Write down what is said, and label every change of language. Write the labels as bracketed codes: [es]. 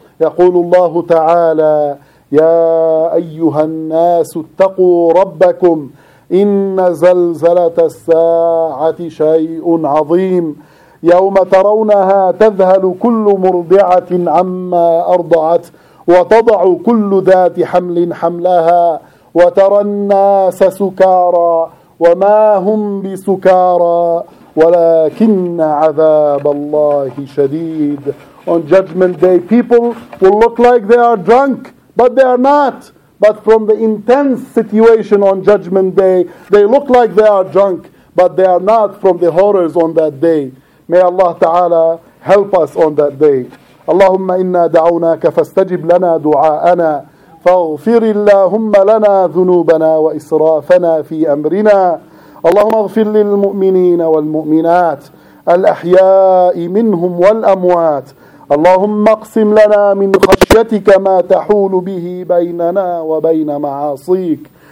[ar] يقول الله تعالى يا أيها الناس اتقوا ربكم إن زلزلة الساعة شيء عظيم يوم ترونها تذهل كل مرضعة عما أرضعت وتضع كل ذات حمل حملها وترى الناس سكارى وما هم بسكارى ولكن عذاب الله شديد. [en] On judgment day, people will look like they are drunk, but they are not. But from the intense situation on judgment day, they look like they are drunk, but they are not from the horrors on that day. May Allah Ta'ala help us on that day. [ar] Allahumma inna da'awnaka fastajib lana du'a'ana. فاغفر اللهم لنا ذنوبنا وإسرافنا في أمرنا. اللهم اغفر للمؤمنين والمؤمنات الأحياء منهم والأموات. اللهم اقسم لنا من خشيتك ما تحول به بيننا وبين معاصيك.